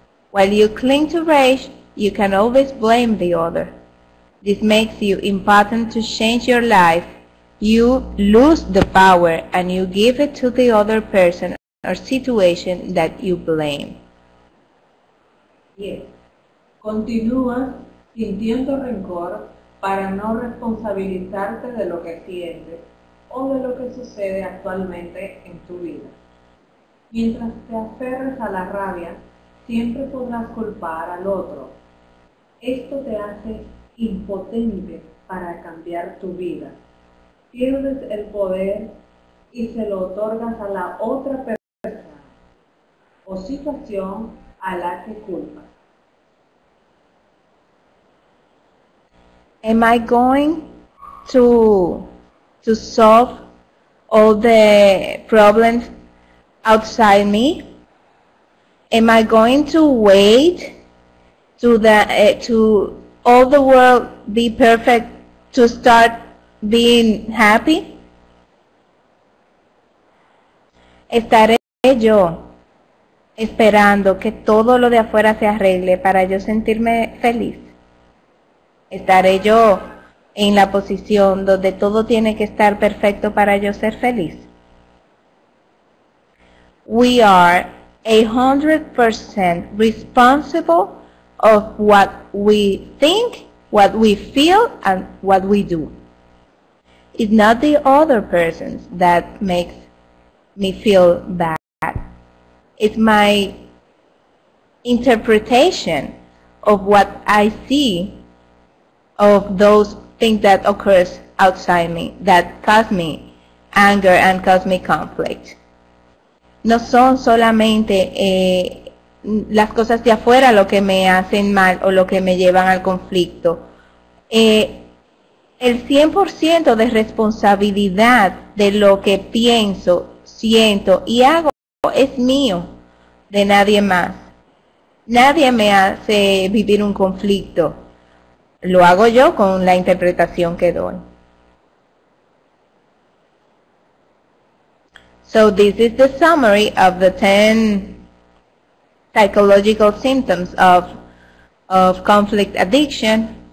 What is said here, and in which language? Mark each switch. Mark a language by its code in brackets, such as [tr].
[en] While you cling to rage, you can always blame the other. This makes you impotent to change your life. You lose the power and you give it to the other person or situation that you blame. Yes. [es] Continúas sintiendo rencor para no responsabilizarte de lo que sientes o de lo que sucede actualmente en tu vida. Mientras te aferres a la rabia, siempre podrás culpar al otro. Esto te hace impotente para cambiar tu vida. Pierdes el poder y se lo otorgas a la otra persona o situación a la que culpas. [en] Am I going to solve all the problems outside me? Am I going to wait to the to all the world be perfect to start being happy? [es] ¿Estaré yo esperando que todo lo de afuera se arregle para yo sentirme feliz? ¿Estaré yo en la posición donde todo tiene que estar perfecto para yo ser feliz? [en] We are 100% responsible of what we think, what we feel, and what we do. It's not the other person that makes me feel bad. It's my interpretation of what I see of those things that occurs outside me, that cause me anger and cause me conflict. [es] No son solamente las cosas de afuera lo que me hacen mal o lo que me llevan al conflicto. El 100% de responsabilidad de lo que pienso, siento y hago es mío, de nadie más. Nadie me hace vivir un conflicto. Lo hago yo con la interpretación que doy. [en] So this is the summary of the 10 psychological symptoms of conflict addiction.